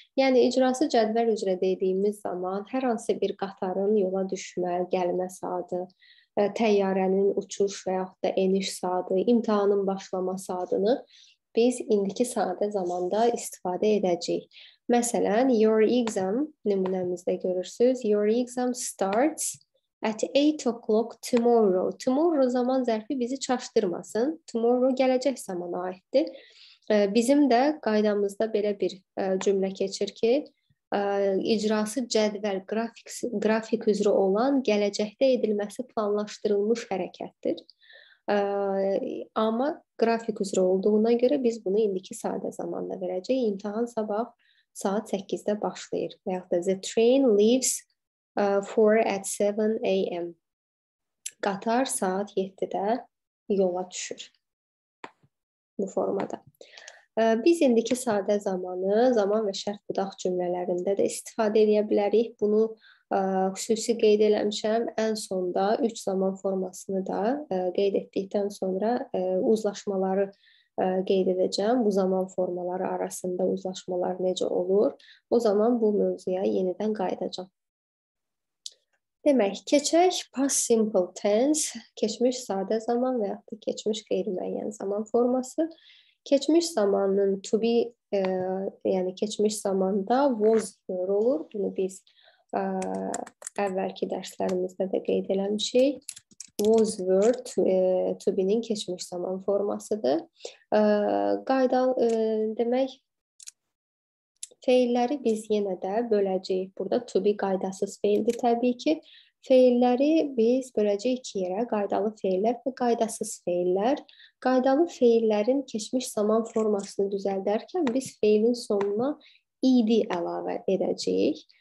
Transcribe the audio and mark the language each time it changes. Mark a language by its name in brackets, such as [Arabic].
[Azerbaijani] Yəni icrası cədvəl üzrə dediyimiz zaman hər hansı bir qatarın yola düşmə, gəlmə saatı, təyyarənin uçuş və yaxud da eniş saatı, imtahanın başlama saatını biz indiki sadə zamanda istifadə edəcəyik. Məsələn, [English] your exam [Azerbaijani] nümunəmizdə görürsünüz. [English] Your exam starts at 8 o'clock tomorrow. [Azerbaijani] Tomorrow zaman zərfi bizi çaşdırmasın. Tomorrow gələcək zamana aiddir. Bizim də qaydamızda belə bir cümlə keçir ki, icrası cədvəl qrafik üzrə olan gələcəkdə edilməsi planlaşdırılmış hərəkətdir. Amma qrafik üzrə olduğuna görə biz bunu indiki sadə zamanda verəcəyik. İmtahan sabah saat 8-də başlayır. Və yaxud da [English] the train leaves 4 at 7 a.m. [Azerbaijani] Qatar saat 7-də yola düşür bu formada. Biz indiki sadə zamanı zaman və şərt budaq cümlələrində də istifadə edə bilərik. Bunu xüsusi qeyd eləmişəm. Ən sonda 3 zaman formasını da qeyd etdikdən sonra uzlaşmaları qeyd edəcəm. Bu zaman formaları arasında uzlaşmalar necə olur? O zaman bu mövzuya yenidən qayıdacağım. Demək, keçək past simple tense, keçmiş sadə zaman və yaxud da keçmiş qeyri-müəyyən zaman forması. Keçmiş zamanın to be, yəni keçmiş zamanda was olur. Bunu biz əvvəlki dərslərimizdə də qeyd eləmişik. Was were to be-nin keçmiş zaman formasıdır. Demək, feilləri biz yenə də böləcəyik. Burada to be qaydasız feildir təbii ki. Feilləri biz böləcəyik iki yerə, qaydalı feillər və qaydasız feillər. Qaydalı feillərin keçmiş zaman formasını düzəldərkən biz feilin sonuna ed əlavə edəcəyik.